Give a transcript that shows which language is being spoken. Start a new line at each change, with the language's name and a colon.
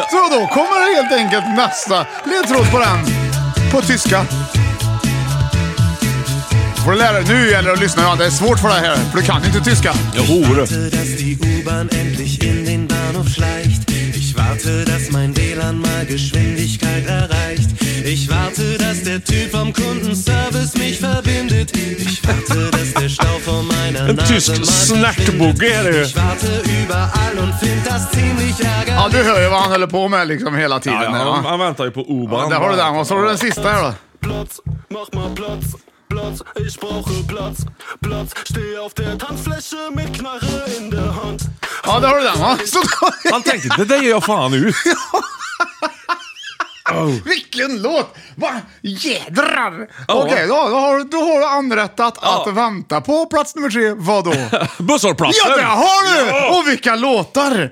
Swedish: Så då kommer det helt enkelt nästa ledtråd på den. På tyska. För lära, nu gäller det att lyssna. Ja, det är svårt för dig här, för du kan inte tyska. Jag hör det.
German: Warte, dass mein WLAN mal Geschwindigkeit erreicht. Ich warte, dass der Typ vom Kundenservice mich verbindet. Ich warte, dass der Stau vor meiner Nase mal geschwindet. Ich warte überall und find das ziemlich ärgerlich.
Swedish: Ja, du hör ju vad han höll på med liksom hela tiden. Ja, ja, han väntar ju på U-Bahn. Ja, där har du den. Vad sa du den sista här då?
German: Platz, mach mal Platz. Platz, ich brauche Platz. Platz, steh auf der Tanzfläche mit Knarre in der Hand.
Swedish: Ja, det har du den, va? Så då... Han tänkte, det där gör jag fan ut. Oh. Vilken låt! Vad jädrar! Oh. Okej, okay, då har du anrättat att vänta på plats nummer tre. Vadå? Bussarplatsen! Ja, det har du! Ja. Och vilka låtar!